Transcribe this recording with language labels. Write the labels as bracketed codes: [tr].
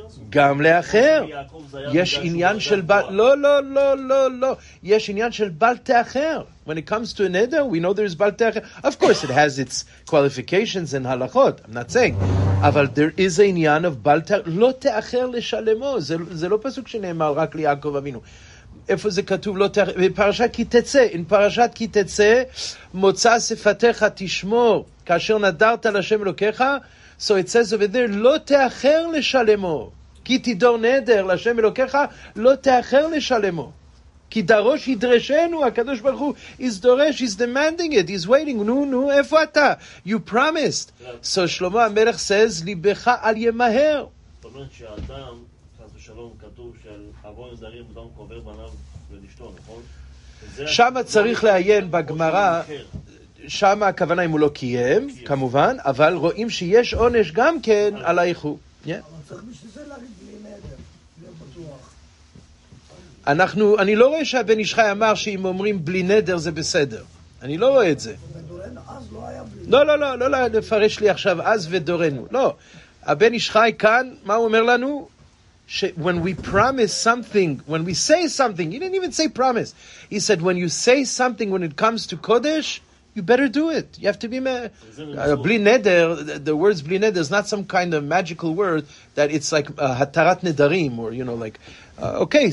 [he] גם לאחר יש עניין של לא, יש עניין של בל תאחר. [en] When it comes to a neder, we know there is בל תאחר. Of course it has its qualifications and הלכות, I'm not saying, אבל there is a עניין of בל תאחר, [he] לא תאחר לשלמו. [en] זה לא פסוק שנאמר רק ליעקב אבינו. איפה זה כתוב? לא תאחר בפרשת כי תצא. אין פרשת כי תצא, מוצא שפתך תשמור כאשר נדרת לשם אלוקיך. So it says over there, [he] לא תאחר לשלמו, כי תידור נדר לשם אלוקיך, לא תאחר לשלמו, כי דרוש ידרשנו, הקדוש ברוך הוא, is דורש, [en] is demanding it, is waiting, [he] נו, איפה אתה? [en] You promised. [he] So שלמה המלך says, ליבך אל ימהר. זאת אומרת שאדם, חס ושלום, כתוב של אבון זרים, אדם קובר בניו ולשתו, נכון? שם צריך לעיין בגמרא, שם הכוונה אם הוא לא קיים, כמובן, אבל רואים שיש עונש גם כן על האיחור. אבל צריך בשביל זה להגיד בלי נדר, זה בטוח. אני לא רואה שהבן איש חי אמר שאם אומרים בלי נדר זה בסדר. אני לא רואה את זה. ודורן אז לא היה בלי נדר. לא, לפרש לי עכשיו אז ודורנו. לא, הבן איש חי כאן, מה הוא אומר לנו? [en] When we promise something, when we say something, he didn't even say promise. He said, when you say something when it comes to Kodesh, you better do it. You have to be bli neder. The words bli neder is not some kind of magical word that it's like hatarat nedarim, or you know, like okay.